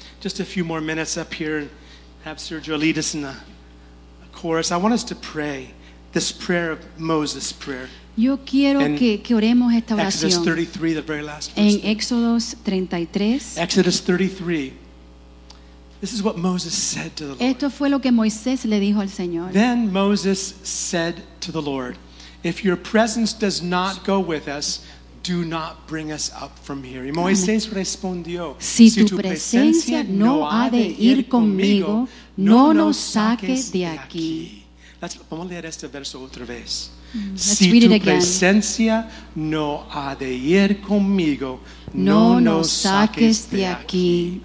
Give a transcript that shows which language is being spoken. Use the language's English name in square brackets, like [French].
[English] Just a few more minutes up here and have Sergio lead us in a chorus. I want us to pray this prayer of Moses' prayer. [Spanish] Yo quiero que oremos esta oración. [English] Exodus 33, the very last verse. [Spanish] En Éxodos 33. [English] Exodus 33. This is what Moses said to the Lord. [Spanish] Esto fue lo que Moisés le dijo al Señor. [English] Then Moses said to the Lord, "If your presence does not go with us, do not bring us up from here." [Spanish] Y Moisés respondió, si tu presencia no ha de ir conmigo, no nos saques de aquí. Vamos a leer este verso otra vez. Si tu presencia no ha de ir conmigo, no nos saques de aquí.